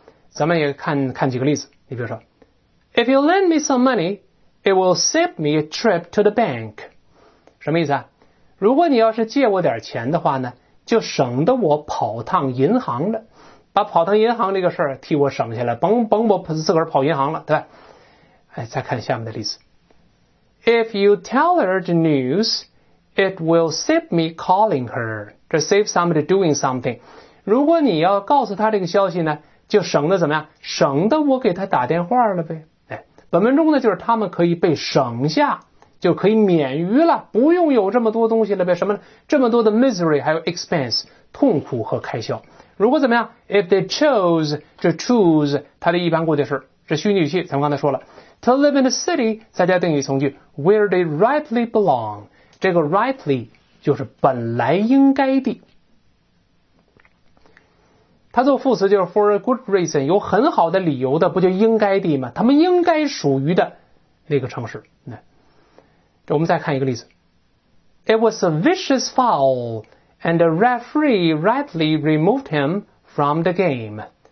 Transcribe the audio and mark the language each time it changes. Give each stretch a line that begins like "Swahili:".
Chinese: 咱们也看看几个例子。你比如说
English: If you lend me some moneyIt will save me a trip to the bank.
Chinese: 什么意思啊？如果你要是借我点钱的话呢，就省得我跑趟银行了，把跑趟银行这个事儿替我省下来，甭我自个儿跑银行了，对吧？哎，再看下面的例子。
English: If you tell her the news, it will save me calling her. 这 save somebody doing something.
Chinese: 如果你要告诉她这个消息呢，就省得怎么样？省得我给她打电话了呗。本文中呢，就是他们可以被省下，就可以免于了，不用有这么多东西了呗，什么这么多的 misery 还有 expense 痛苦和开销。如果怎么样 ？
English: If they chose，
Chinese: 这 choose 它的一般过去式，这虚拟语气，咱们刚才说了 ，
English: to live in a city，
Chinese: 再加定语从句 ，
English: where they rightly belong，
Chinese: 这个 rightly 就是本来应该的，它做副词就是
English: for a good reason，
Chinese: 有很好的理由的，不就应该的吗？他们应该属于的那个城市。这我们再看一个例子。
English: It was a vicious foul and the referee rightly removed him from the game.